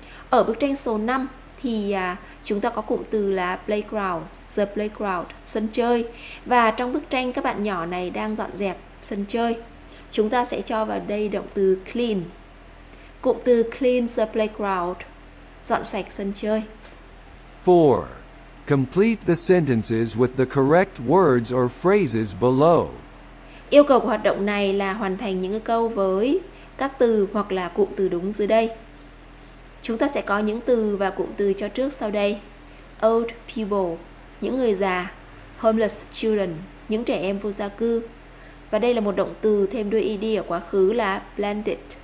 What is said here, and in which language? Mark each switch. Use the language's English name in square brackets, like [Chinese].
[Vietnamese] Ở bức tranh số 5 thì chúng ta có cụm từ là playground, the playground, sân chơi. Và trong bức tranh các bạn nhỏ này đang dọn dẹp sân chơi. Chúng ta sẽ cho vào đây động từ clean. Cụm từ [English] clean the playground, [Vietnamese] dọn sạch sân chơi. 4. [English] Complete the sentences with the correct words or phrases below. [Vietnamese] Yêu cầu của hoạt động này là hoàn thành những câu với các từ hoặc là cụm từ đúng dưới đây. Chúng ta sẽ có những từ và cụm từ cho trước sau đây. [English] Old people, [Vietnamese] những người già. [English] Homeless children, [Vietnamese] những trẻ em vô gia cư. Và đây là một động từ thêm đuôi ed ở quá khứ là blended.